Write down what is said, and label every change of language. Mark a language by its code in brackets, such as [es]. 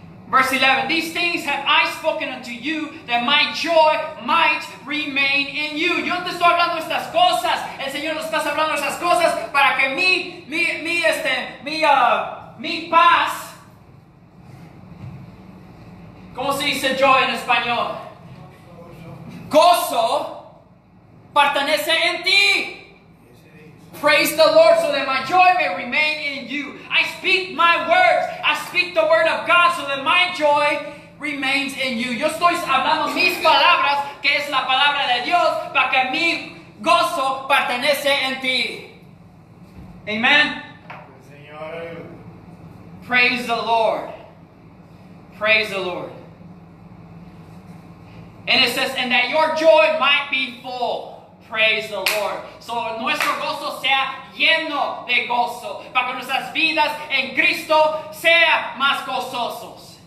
[en] Verse 11, these things have I spoken unto you, that my joy might remain in you. [es] Yo te estoy hablando estas cosas. El Señor nos está hablando estas cosas para que mi paz. ¿Cómo se dice joy en español? Gozo. Pertenece en ti. [en] Praise the Lord, so that my joy may remain in you. I speak my words. I speak the word of God, so that my joy remains in you. [es] Yo estoy hablando mis palabras, que es la palabra de Dios, para que mi gozo pertenece en ti. Amen. Señor. [en] Praise the Lord. Praise the Lord. And it says, and that your joy might be full. Praise the Lord. [es] So nuestro gozo sea lleno de gozo. Para que nuestras vidas en Cristo sea más gozosos.